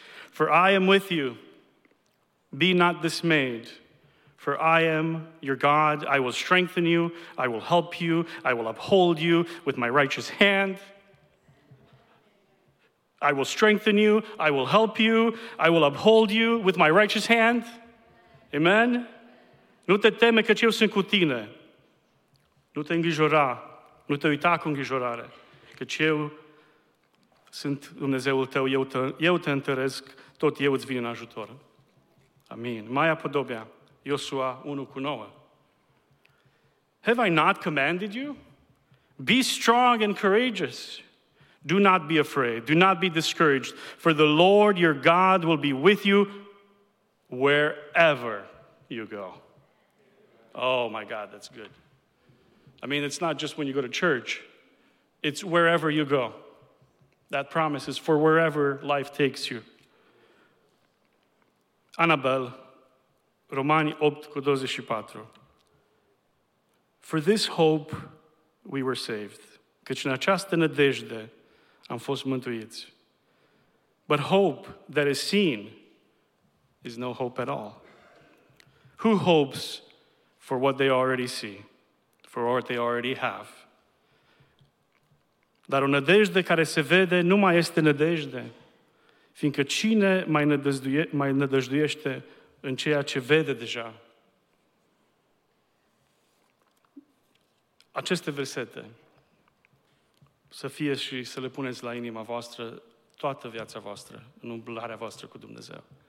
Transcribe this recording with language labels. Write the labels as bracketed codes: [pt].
[en] For I am with you. Be not dismayed. For I am your God. I will strengthen you. I will help you. I will uphold you with my righteous hand. I will strengthen you. I will help you. I will uphold you with my righteous hand. Amen. [ro] Nu te teme, căci eu sunt cu tine. Nu te îngrijora. Nu te uita cu îngrijorare. Căci eu sunt Dumnezeul tău. Eu te întăresc. Tot eu îți vin în ajutor. Amin. [en] Maia Podobea, Iosua 1:9. Have I not commanded you? Be strong and courageous. Do not be afraid. Do not be discouraged. For the Lord your God will be with you wherever you go. Oh my God, that's good. I mean, it's not just when you go to church. It's wherever you go. That promise is for wherever life takes you. [ro] Annabel, Romani 8:24. [en] For this hope we were saved, [ro] căci în această nădejde am fost mântuiți. [en] But hope that is seen is no hope at all. Who hopes for what they already see, for what they already have? [ro] Dar o nădejde care se vede nu mai este nădejde, fiindcă cine mai nădăjduiește în ceea ce vede deja? Aceste versete, să fie și să le puneți la inima voastră toată viața voastră, în umblarea voastră cu Dumnezeu.